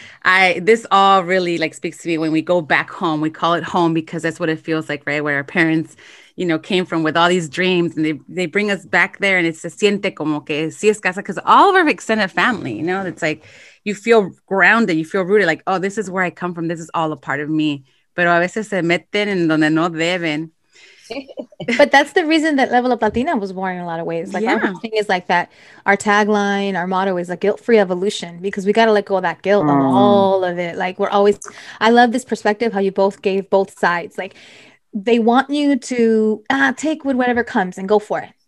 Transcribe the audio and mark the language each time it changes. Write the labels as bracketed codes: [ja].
[en] This all really like speaks to me when we go back home. We call it home because that's what it feels like, right? Where our parents, you know, came from with all these dreams, and they bring us back there, and it's [es] se siente como que si es casa, [en] because all of our extended family, you know, it's like you feel grounded, you feel rooted, like, oh, this is where I come from. This is all a part of me. [es] Pero a veces se meten en donde no deben. [en] But that's the reason that Level Up Latina was born in a lot of ways. Like, yeah. Our whole thing is like that. Our tagline, our motto is a guilt-free evolution, because we got to let go of that guilt of all of it. Like, we're always, I love this perspective, how you both gave both sides. Like, they want you to take with whatever comes and go for it.